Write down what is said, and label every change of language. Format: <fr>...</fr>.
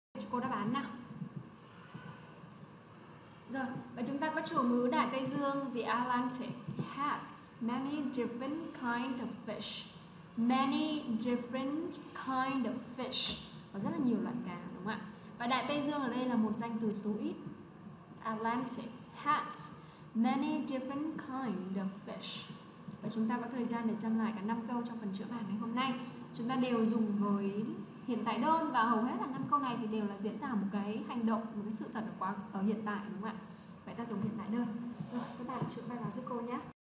<vi>Cô đáp án nào. Rồi, và chúng ta có chủ ngữ Đại Tây Dương.</vi> <en>The Atlantic has many different kind of fish. Many different kind of fish.</en> <vi>Có rất là nhiều loại cá, đúng không ạ? Và Đại Tây Dương ở đây là một danh từ số ít.</vi> <en>Atlantic has many different kind of fish.</en> <vi>Và chúng ta có thời gian để xem lại cả 5 câu trong phần chữa bài ngày hôm nay. Chúng ta đều dùng với hiện tại đơn và hầu hết là năm câu này thì đều là diễn tả một cái hành động, một cái sự thật ở hiện tại, đúng không ạ? Vậy ta dùng hiện tại đơn. Rồi, các bạn chữa bài vào giúp cô nhé.</vi>